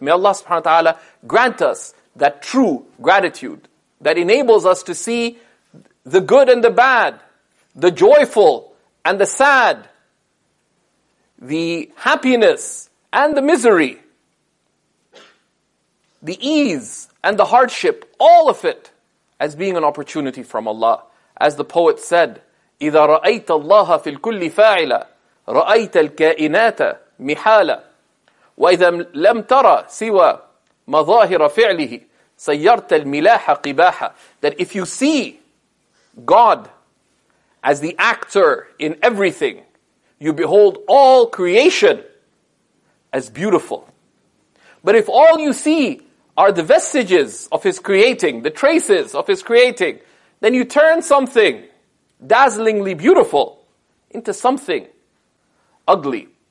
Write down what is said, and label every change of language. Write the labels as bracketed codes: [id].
[en] May Allah subhanahu wa ta'ala grant us that true gratitude that enables us to see the good and the bad, the joyful and the sad, the happiness and the misery, the ease and the hardship, all of it as being an opportunity from Allah. As the poet said, [ar] إِذَا رَأَيْتَ اللَّهَ فِي الْكُلِّ فَاعِلًا رَأَيْتَ الْكَائِنَاتَ مِحَالًا وَإِذَا لَمْ تَرَى سِوَى مَظَاهِرَ فِعْلِهِ سَيَّرْتَ الْمِلَاحَ قِبَاحًا. [en] That if you see God as the actor in everything, you behold all creation as beautiful. But if all you see are the vestiges of His creating, the traces of His creating, then you turn something dazzlingly beautiful into something ugly.